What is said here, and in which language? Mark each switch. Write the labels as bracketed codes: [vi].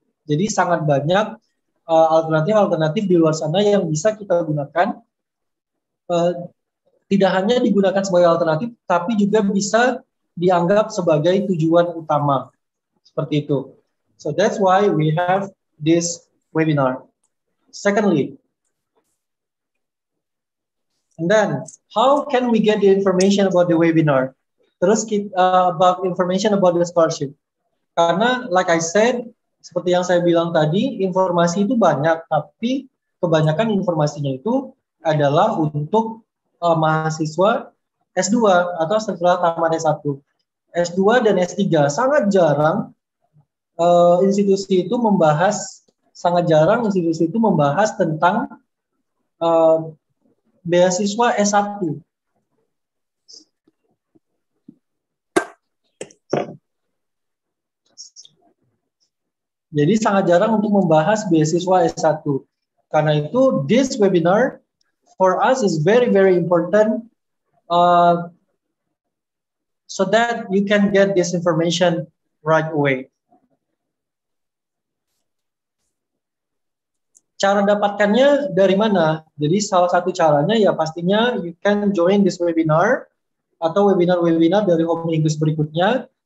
[id] Jadi sangat banyak alternatif-alternatif di luar sana yang bisa kita gunakan, tidak hanya digunakan sebagai alternatif, tapi juga bisa dianggap sebagai tujuan utama. Seperti itu. [en] So that's why we have this webinar. Secondly, and then, how can we get the information about the webinar? Terus about information about the scholarship. [id] Karena, [en] like I said, [id] seperti yang saya bilang tadi, informasi itu banyak, tapi kebanyakan informasinya itu adalah untuk mahasiswa S2 atau setelah tamat S1. S2 dan S3, sangat jarang institusi itu membahas, tentang beasiswa S1. Jadi sangat jarang untuk membahas beasiswa S1. Karena itu, [en] this webinar for us is very, very important so that you can get this information right away. [id] Cara dapatkannya dari mana? Jadi salah satu caranya ya pastinya [en] you can join this webinar [id] atau webinar-webinar dari Home English berikutnya.